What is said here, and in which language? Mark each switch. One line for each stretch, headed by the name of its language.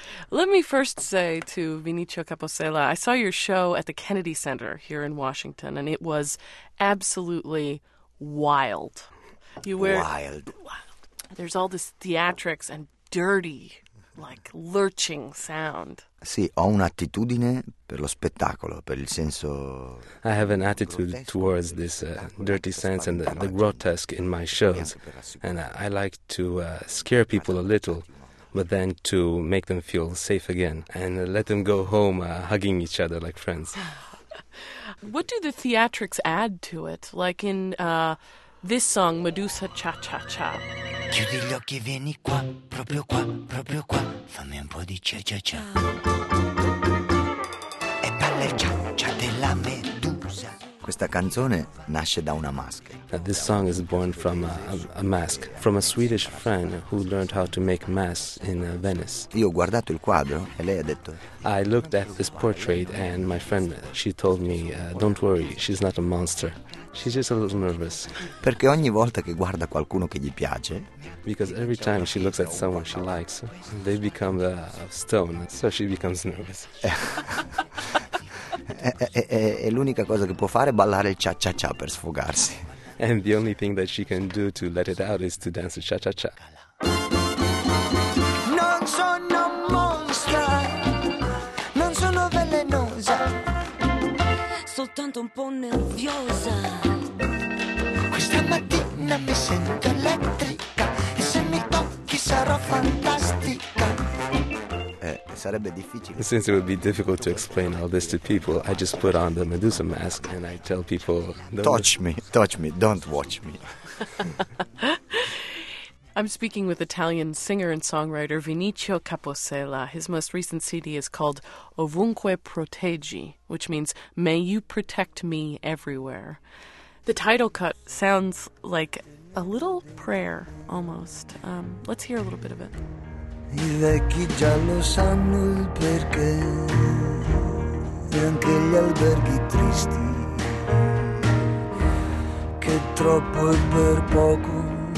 English: Let me first say to Vinicio Capossela, I saw your show at the Kennedy Center here in Washington, and it was absolutely wild. Wild. There's all this theatrics and dirty, like, lurching sound.
Italian: Sì, ho un'attitudine per lo spettacolo, per il senso.
English: I have an attitude towards this dirty sense and the grotesque in my shows. And I like to scare people a little, but then to make them feel safe again and let them go home hugging each other like friends. What do the theatrics add to it? Like in this song, Medusa Cha Cha Cha.
Italian: Chiudi gli occhi, vieni qua, proprio qua, proprio qua. Fammi un po' di cia cia cia. E balla il cia cia della medusa. Questa canzone nasce da una maschera.
English: This song is born from a mask, from a Swedish friend who learned how to make masks in Venice.
Italian: Io ho guardato il quadro e lei ha detto.
English: I looked at this portrait and my friend, she told me, don't worry, she's not a monster. She's just a little nervous.
Italian: Perché ogni volta che guarda qualcuno che gli piace,
English: because every time she looks at someone she likes, they become a stone, so she becomes nervous.
Italian: E l'unica cosa che può fare è ballare il cha-cha-cha per sfogarsi.
English: And the only thing that she can do to let it out is to dance the cha-cha-cha.
Italian: Non sono monstra, non sono velenosa, soltanto un po' nerviosa. Questa mattina mi sento elettrica e se mi tocchi sarò fantastica. Sarebbe difficile.
English: Since it would be difficult to explain all this to people, I just put on the Medusa mask and I tell people, touch me, don't watch me. I'm speaking with Italian singer and songwriter Vinicio Capossela. His most recent CD is called Ovunque Proteggi, which means May You Protect Me Everywhere. The title cut sounds like a little prayer, almost. Let's hear a little bit of it.
Italian: I vecchi già lo sanno il perché, e anche gli alberghi tristi, che troppo è per poco.